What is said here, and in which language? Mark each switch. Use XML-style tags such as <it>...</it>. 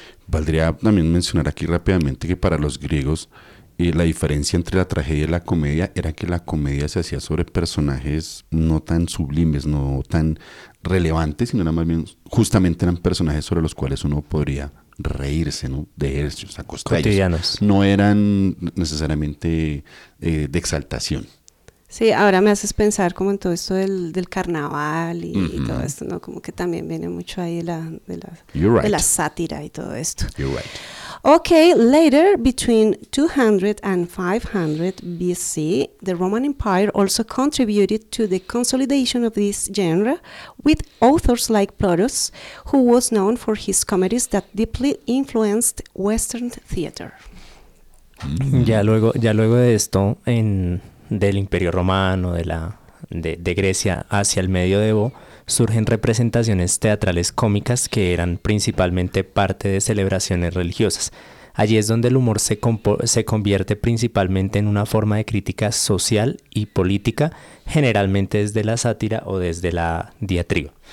<es>Valdría también mencionar aquí rápidamente que para los griegos la diferencia entre la tragedia y la comedia era que la comedia se hacía sobre personajes no tan sublimes, no tan relevantes, sino más bien justamente eran personajes sobre los cuales uno podría reírse, ¿no? De ellos, a costa de ellos. No eran necesariamente de exaltación. Sí, ahora me haces pensar como en todo esto del carnaval y, uh-huh. y todo esto, ¿no? Como que también viene mucho ahí de la sátira y todo esto.</es> <en>You're right. Okay, later, between 200 and 500 BC, the Roman Empire also contributed to the consolidation of this genre with authors like Plautus, who was known for his comedies that deeply influenced Western theater.</en> <es>Mm-hmm. Ya luego de esto, en... del Imperio Romano, de Grecia hacia el Medioevo, surgen representaciones teatrales cómicas que eran principalmente parte de celebraciones religiosas. Allí es donde el humor se convierte principalmente en una forma de crítica social y política, generalmente desde la sátira o desde la diatriba.</es>